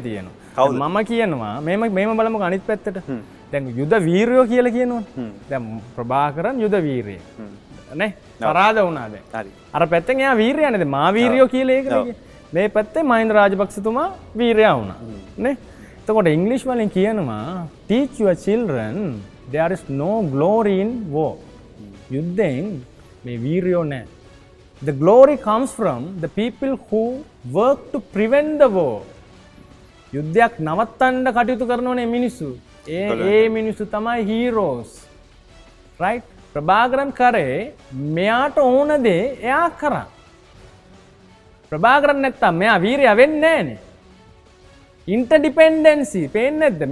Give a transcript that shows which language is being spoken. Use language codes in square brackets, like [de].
[si] තියෙනවා. මම කියනවා මේම බලමුකෝ අනිත් පැත්තට. දැන් යුද වීරයෝ කියලා කියනවනේ. දැන් ප්‍රභාකරන් යුද වීරය. නේ? පරාද වුණා දැන්. හරි. අර පැත්තෙන් එයා වීරයනේ දැන් මා වීරයෝ කියලා ඒක නේ. මේ පැත්තේ මහින්ද රාජපක්ෂතුමා වීරයා වුණා. නේ? එතකොට ඉංග්‍රීසි වලින් කියනවා [en] teach your children there is no glory in war. [si] යුද්ධෙන් මේ වීරයෝ නැහැ. [en] The glory comes from the people who work to prevent the war. [si] යුද්ධයක් නවත්තන්න කටයුතු කරනෝනේ මිනිස්සු. ඒ මිනිස්සු තමයි heroes. [en] Right? [si] ප්‍රභාකරන් කරේ මෙයාට ඕන දේ එයා කරා. ප්‍රභාකරන් නැත්තම් මෙයා වීරයා වෙන්නේ නැහනේ. Interdependency පේන්නේ නැද්ද?